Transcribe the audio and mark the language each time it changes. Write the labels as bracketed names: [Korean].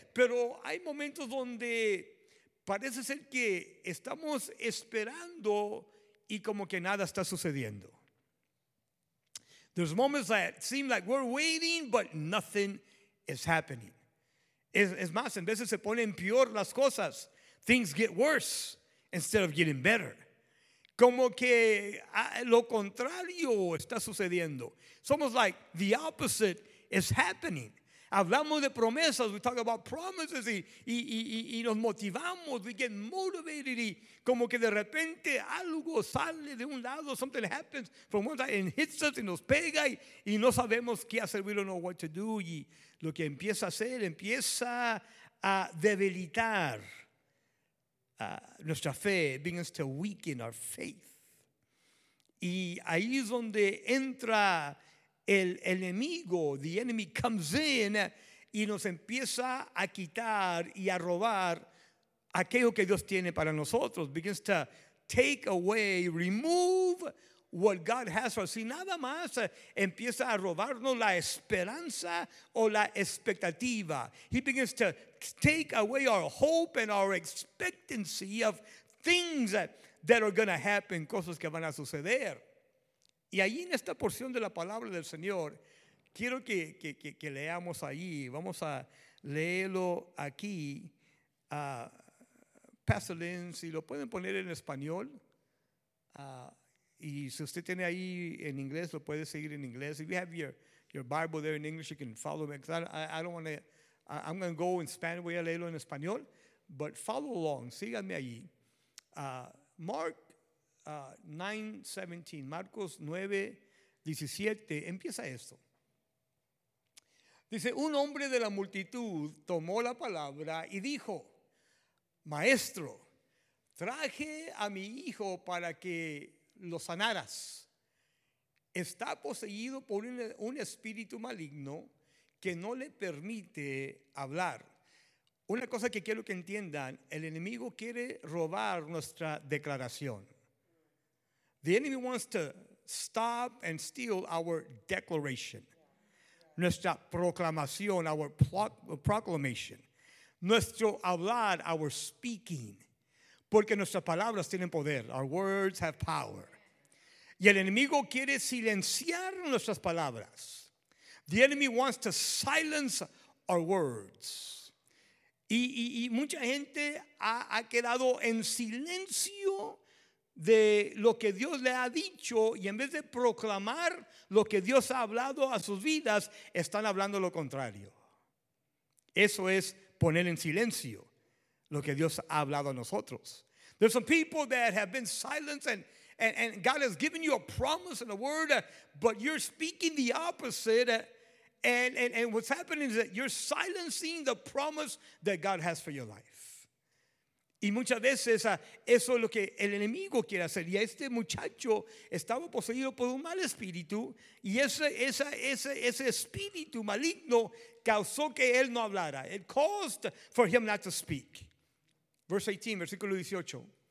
[Spanish] Pero hay momentos donde parece ser que estamos esperando y como que nada está sucediendo. [English] There's moments that seem like we're waiting, but nothing is happening. [Spanish] Es más, en veces se ponen peor las cosas. [English] Things get worse instead of getting better. [Spanish] Como que lo contrario está sucediendo. [English] It's almost like the opposite is happening. [Spanish] Hablamos de promesas. [English] We talk about promises. [Spanish] Y nos motivamos. [English] We get motivated. [Spanish] Y como que de repente algo sale de un lado. [English] Something happens from one side and hits us [Spanish] y nos pega. Y no sabemos qué hacer. [English] We don't know what to do. [Spanish] Y lo que empieza a hacer, empieza a debilitar nuestra fe. It begins to weaken our faith. Y ahí es donde entra el enemigo, [English] the enemy comes in [Spanish] y nos empieza a quitar y a robar aquello que Dios tiene para nosotros. [English] Begins to take away, remove what God has for us. [Spanish] Y nada más empieza a robarnos la esperanza o la expectativa. [English] He begins to take away our hope and our expectancy of things that are going to happen, [Spanish] cosas que van a suceder. Y ahí en esta porción de la palabra del Señor, quiero que leamos ahí. Vamos a leerlo aquí. Pastor Lynn, si lo pueden poner en español. Y si usted tiene ahí en inglés, lo puede seguir en inglés. [English] If you have your Bible there in English, you can follow me. I'm going to go in Spanish. [Spanish] Voy a leerlo en español. [English] But follow along. [Spanish] Síganme allí. Mark 9:17, Marcos 9:17, empieza esto. Dice, un hombre de la multitud tomó la palabra y dijo, maestro, traje a mi hijo para que lo sanaras. Está poseído por un espíritu maligno que no le permite hablar. Una cosa que quiero que entiendan, el enemigo quiere robar nuestra declaración. [English] The enemy wants to stop and steal our declaration. [Spanish] Nuestra proclamación, [English] our proclamation. [Spanish] Nuestro hablar, [English] our speaking. [Spanish] Porque nuestras palabras tienen poder. [English] Our words have power. [Spanish] Y el enemigo quiere silenciar nuestras palabras. [English] The enemy wants to silence our words. [Spanish] Y mucha gente ha quedado en silencio de lo que Dios le ha dicho, y en vez de proclamar lo que Dios ha hablado a sus vidas, están hablando lo contrario. Eso es poner en silencio lo que Dios ha hablado a nosotros. [English] There's some people that have been silenced, and God has given you a promise and a word, but you're speaking the opposite. And what's happening is that you're silencing the promise that God has for your life. [Spanish] Y muchas veces eso es lo que el enemigo quiere hacer. Y este muchacho estaba poseído por un mal espíritu. Y ese espíritu maligno causó que él no hablara. [English] It caused for him not to speak. Verse 18, [Spanish] versículo 18.